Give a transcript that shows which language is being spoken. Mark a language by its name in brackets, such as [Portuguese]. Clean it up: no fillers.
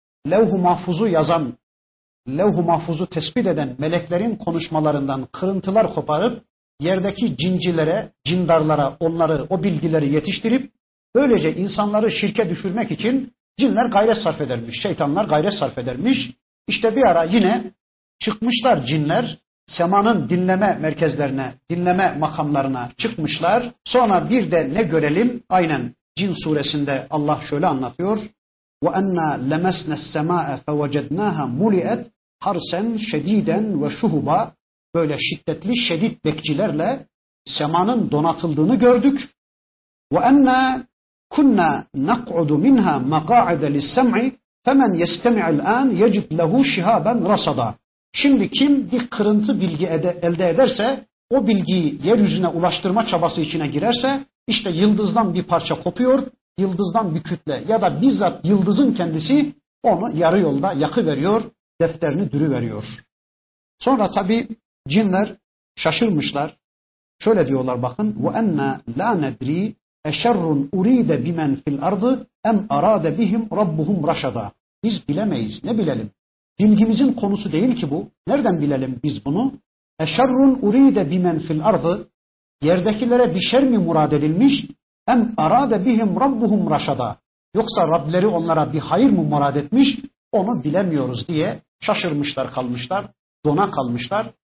[Turkish] Levh-u mahfuzu yazan, levh-u mahfuzu tespit eden meleklerin konuşmalarından kırıntılar koparıp yerdeki cincilere, cindarlara onları, o bilgileri yetiştirip böylece insanları şirke düşürmek için cinler gayret sarf edermiş, şeytanlar gayret sarf edermiş. İşte bir ara yine çıkmışlar cinler, semanın dinleme merkezlerine, dinleme makamlarına çıkmışlar. Sonra bir de ne görelim? Aynen Cin suresinde Allah şöyle anlatıyor. [Arabic] وَاَنَّا لَمَسْنَا السَّمَاءَ فَوَجَدْنَاهَا مُلِئَتْ حَرْسًا شَد۪يدًا وَشُهُبًا [Turkish] Böyle şiddetli, şedid bekçilerle semanın donatıldığını gördük. [Arabic] وَاَنَّا كُنَّا نَقْعُدُ مِنْهَا مَقَاعِدَ لِلسَّمْعِ فَمَنْ يَسْتَمِعِ الْاَنْ يَجِدْ لَهُ شِهَابًا رَصَدًا [Turkish] Şimdi kim bir kırıntı bilgi elde ederse, o bilgiyi yeryüzüne ulaştırma çabası içine girerse, işte yıldızdan bir parça kopuyor, yıldızdan bir kütle ya da bizzat yıldızın kendisi onu yarı yolda yakıveriyor, defterini dürüveriyor. Sonra tabi cinler şaşırmışlar. Şöyle diyorlar bakın, [Arabic] وَاَنَّا لَا نَدْرِي اَشَرٌ اُر۪يدَ بِمَنْ فِي الْاَرْضِ اَمْ اَرَادَ بِهِمْ رَبُّهُمْ رَشَدًا [Turkish] Biz bilemeyiz, ne bilelim? Bilgimizin konusu değil ki bu. Nereden bilelim biz bunu? [Arabic] اَشَرٌ اُر۪يدَ بِمَنْ فِي الْاَرْضِ [Turkish] Yerdekilere bir şer mi murad edilmiş? [Arabic] اَمْ اَرَادَ بِهِمْ رَبُّهُمْ رَشَدًا [Turkish] Yoksa Rableri onlara bir hayır mı murad etmiş? Onu bilemiyoruz diye şaşırmışlar kalmışlar, dona kalmışlar.